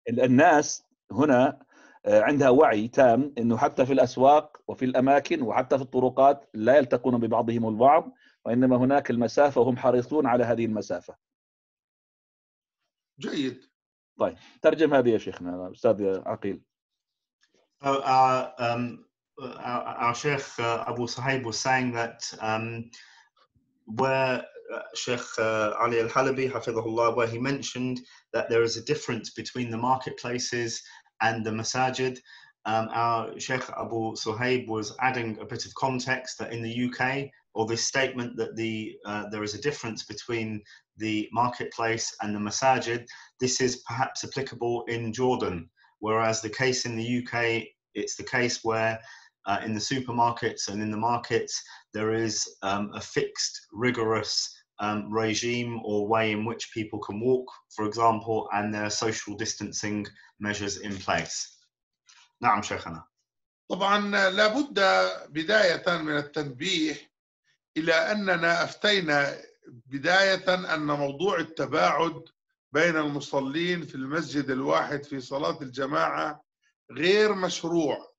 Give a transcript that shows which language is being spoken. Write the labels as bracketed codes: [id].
[ar] الناس هنا عندها وعي تام أنه حتى في الأسواق وفي الأماكن وحتى في الطرقات لا يلتقون ببعضهم البعض, وإنما هناك المسافة وهم حريصون على هذه المسافة. جيد, طيب ترجم هذه يا شيخنا أستاذ عقيل. [en] Our Sheikh Abu Sahib was saying that where Sheikh Ali Al Halabi, Hafizahullah, where he mentioned that there is a difference between the marketplaces and the masajid, our Sheikh Abu Sahib was adding a bit of context that in the UK, or this statement that there is a difference between the marketplace and the masajid, this is perhaps applicable in Jordan, whereas the case in the UK, it's the case where in the supermarkets and in the markets, there is a fixed, rigorous regime or way in which people can walk, for example, and there are social distancing measures in place. [ar] نعم شيخنا. طبعاً لابد بداية من التنبيه إلى أننا أفتينا بداية أن موضوع التباعد بين المصلين في المسجد الواحد في صلاة الجماعة غير مشروع.